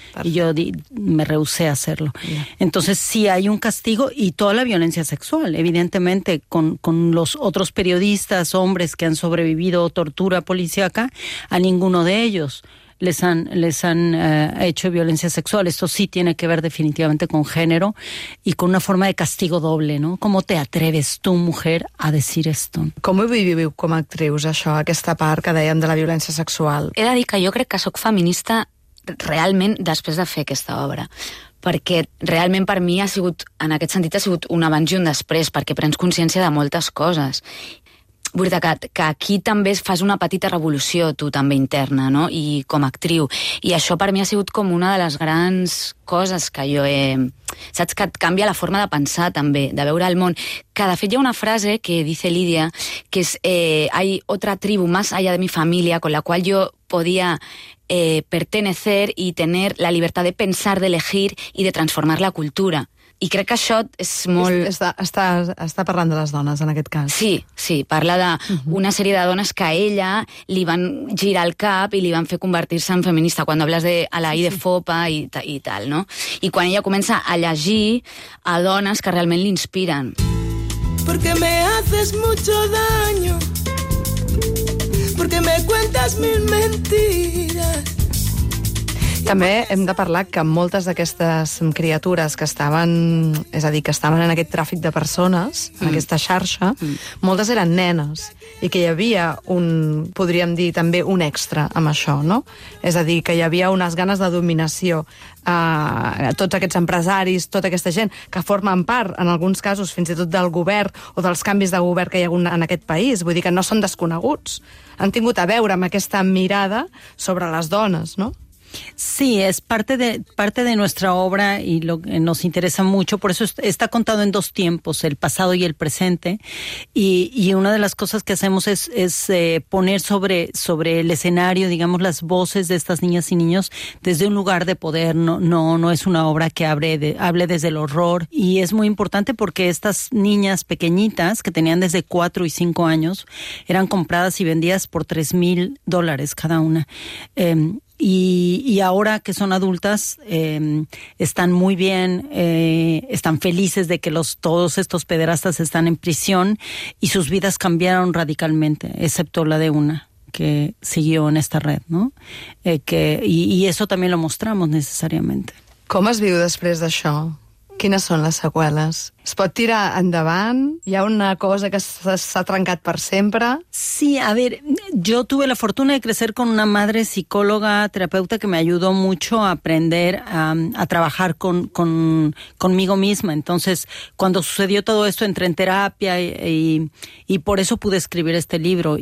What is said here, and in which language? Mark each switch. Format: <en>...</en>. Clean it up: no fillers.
<es>Perfecto. Y yo me rehusé a hacerlo. Yeah. Entonces, sí, hay un castigo y toda la violencia sexual, evidentemente, con los otros periodistas, hombres que han sobrevivido tortura policíaca, a ninguno de ellos les han hecho violencia sexual. Esto sí tiene que ver definitivamente con género y con una forma de castigo doble, ¿no? ¿Cómo te atreves tú, mujer, a decir esto?</es> <ca>¿Cómo viviu com a actrius això, aquesta part que dèiem de la violència sexual? He de dir que jo crec que sóc feminista realment després de fer aquesta obra, perquè realment per mi ha sigut, en aquest sentit, ha sigut un abans i un després, perquè prens consciència de moltes coses. Vull dir que aquí també fas una petita revolució, tu, també interna, no? I com a actriu. I això per mi ha sigut com una de les grans coses que jo he... Saps que et canvia la forma de pensar, també, de veure el món. Que, de fet, hi ha una frase que dice Lídia, que és</ca> <es>«Hay otra tribu más allá de mi familia con la cual yo podía pertenecer y tener la libertad de pensar, de elegir y de transformar la cultura».</es> <ca>I crec que això és molt... Està parlant de les dones, en aquest cas. Sí, sí, parla d'una sèrie de dones que a ella li van girar el cap i li van fer convertir-se en feminista, quan hables d'Alaïde Fopa i tal, no? I quan ella comença a llegir a dones que realment l'inspiren.</ca> <es>Porque me haces mucho daño, porque me cuentas mil mentiras.</es> <ca>També hem de parlar que moltes d'aquestes criatures que estaven, és a dir, que estaven en aquest tràfic de persones, en aquesta xarxa, moltes eren nenes, i que hi havia un, podríem dir, també un extra amb això, no? És a dir, que hi havia unes ganes de dominació a tots aquests empresaris, tota aquesta gent, que formen part, en alguns casos, fins i tot del govern o dels canvis de govern que hi ha hagut en aquest país. Vull dir que no són desconeguts. Han tingut a veure amb aquesta mirada sobre les dones, no?</ca> <es>Sí, es parte de nuestra obra y lo que nos interesa mucho. Por eso está contado en dos tiempos, el pasado y el presente. Y una de las cosas que hacemos es poner sobre el escenario, digamos, las voces de estas niñas y niños desde un lugar de poder. No es una obra que hable desde el horror. Y es muy importante porque estas niñas pequeñitas que tenían desde 4 y 5 años eran compradas y vendidas por $3,000 cada una. Y ahora que son adultas, están muy bien, están felices de que todos estos pederastas están en prisión y sus vidas cambiaron radicalmente, excepto la de una que siguió en esta red, ¿no? Y eso también lo mostramos necesariamente.</es> <ca>¿Com es viu després d'això? Quines són les seqüeles? ¿Es pot tirar endavant? ¿Hi ha una cosa que s'ha trencat per sempre?</ca> <es>Sí, a ver, yo tuve la fortuna de crecer con una madre psicóloga, terapeuta, que me ayudó mucho a aprender a trabajar conmigo misma. Entonces, cuando sucedió todo esto, entré en terapia y por eso pude escribir este libro.</es>